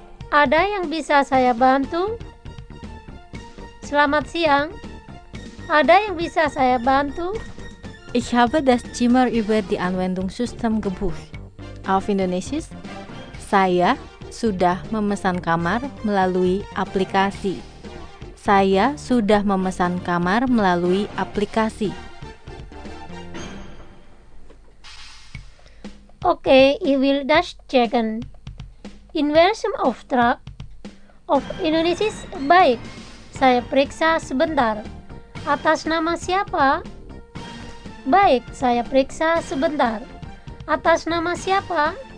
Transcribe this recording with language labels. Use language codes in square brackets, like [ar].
[id] Ada yang bisa saya bantu? Selamat siang. Ada yang bisa saya bantu? [de] Ich habe das Zimmer über die Anwendungssystem gebucht. Auf Indonesisch, [id] saya sudah memesan kamar melalui aplikasi. Saya sudah memesan kamar melalui aplikasi. [de] Okay, ich will das checken. In welchem Auftrag? Auf Indonesisch, baik. [id] Saya periksa sebentar. Atas nama siapa? Baik, saya periksa sebentar. Atas nama siapa?